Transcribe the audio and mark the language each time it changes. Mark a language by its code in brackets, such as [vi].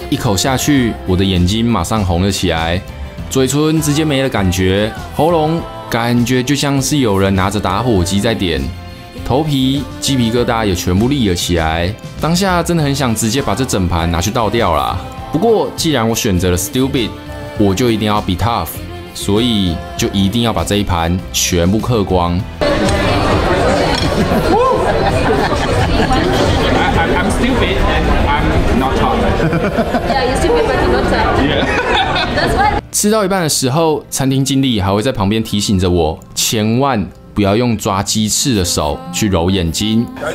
[zh] 一口下去，我的眼睛马上红了起来，嘴唇直接没了感觉，喉咙感觉就像是有人拿着打火机在点，头皮鸡皮疙瘩也全部立了起来。当下真的很想直接把这整盘拿去倒掉啦。不过既然我选择了 stupid， 我就一定要 [en] be tough， [zh] 所以就一定要把这一盘全部嗑光。 [en] I'm stupid and I'm not tough. Yeah, you're stupid but you're not tough. Yeah. That's why. [zh] 吃到一半的时候，餐厅经理还会在旁边提醒着我，千万不要用抓鸡翅的手去揉眼睛。